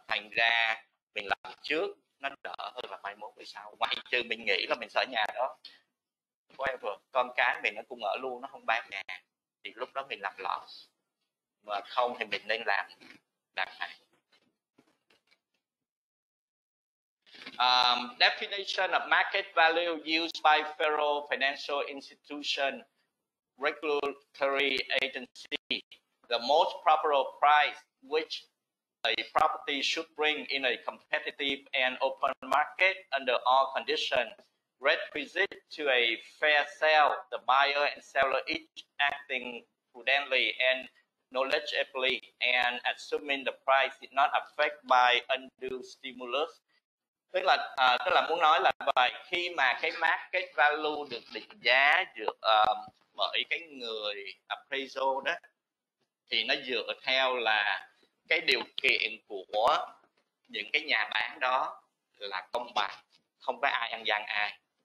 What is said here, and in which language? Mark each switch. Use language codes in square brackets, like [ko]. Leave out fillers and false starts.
[vi] Thành ra mình làm trước nó đỡ hơn là mai mốt về sau. Ngoài trừ mình nghĩ là mình sợ nhà đó forever, con cái mình nó cũng ở luôn, nó không bán nhà, thì lúc đó mình làm loss. Mà không thì mình nên làm đàng hoàng. [en] Definition of market value used by federal financial institution regulatory agency: the most proper price which a property should bring in a competitive and open market under all conditions requisite to a fair sale, the buyer and seller each acting prudently and knowledgeably and assuming the price is not affected by undue stimulus. [vi] Tức là muốn nói là vậy, khi mà cái market value được định giá được bởi cái người appraisal đó, thì nó dựa theo là cái điều kiện của những cái nhà bán đó là công bằng, không có ai ăn gian ai.